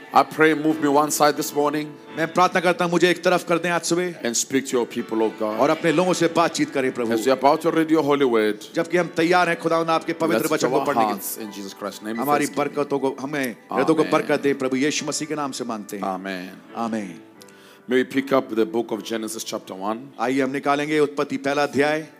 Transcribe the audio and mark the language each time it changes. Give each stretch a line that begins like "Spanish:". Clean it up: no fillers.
English: I pray move me one side this morning.
Hindi: मैं प्रार्थना करता हूँ मुझे एक तरफ कर दें आज सुबह.
English: And speak to your people, O God.
Hindi: और अपने लोगों से बातचीत करें प्रभु.
English: As we about to read your holy word.
Hindi: जबकि हम तैयार हैं खुदा आपके पवित्र वचन को पढ़ने के
English: लिए. In Jesus Christ's name.
Hindi: हमारी बरकतों को हमें हृदयों को बरकत दे प्रभु यीशु मसीह के नाम से मांगते हैं.
English: Amen.
Hindi: Amen.
English: May we pick up the book of Genesis chapter 1.
Hindi: आइए हम निकालेंगे उत्पत्ति पहला अध्याय.